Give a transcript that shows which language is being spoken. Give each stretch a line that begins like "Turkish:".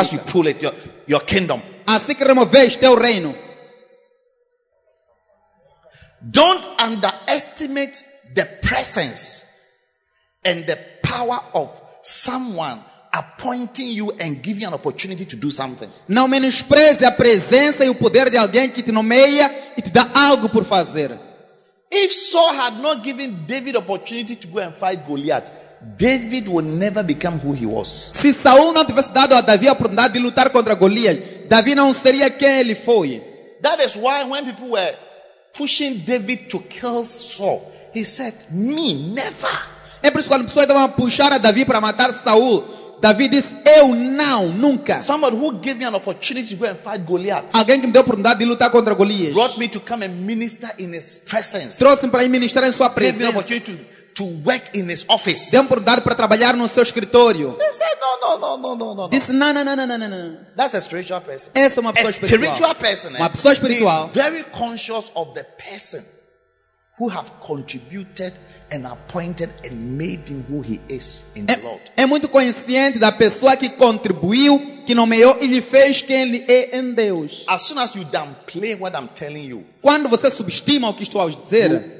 English: As you pull it, your kingdom.
Portuguese: Assim que removeste teu reino.
English: Don't underestimate the presence and the power of someone appointing you and giving you an opportunity to do something.
Portuguese: Não menospreze a presença e o poder de alguém que te nomeia e te dá algo por fazer.
English: If Saul had not given David opportunity to go and fight Goliath, David would never become who he was.
Portuguese: Se Saul não tivesse dado a Davi a oportunidade de lutar contra Goliath, Davi não seria quem ele foi.
English: That is why when people were pushing David to kill Saul, he said, "Me, never."
Portuguese: É por isso que quando pessoas estavam a puxar a Davi para matar Saul, Davi disse, "Eu não, nunca."
English: Someone who gave me an opportunity to go and fight Goliath.
Portuguese: Alguém que me deu a oportunidade de lutar contra Goliath.
English: Brought me to come and minister in his presence.
Portuguese: Trouxe-me para ministrar em sua presença.
English: Gave me an opportunity to work in his office.
Portuguese: Deu-me a oportunidade para trabalhar no seu escritório.
English: He said, "No."
Portuguese: Disse, "Não."
English: That's a spiritual person.
Portuguese: Essa é uma pessoa espiritual. Uma pessoa espiritual.
English: Is very conscious of the person who have contributed and appointed and made him who he is in the Lord.
Portuguese: É muito consciente da pessoa que contribuiu, que nomeou e lhe fez quem ele é em Deus.
English: As soon as you downplay what I'm telling you,
Portuguese: quando você subestima o que estou a dizer,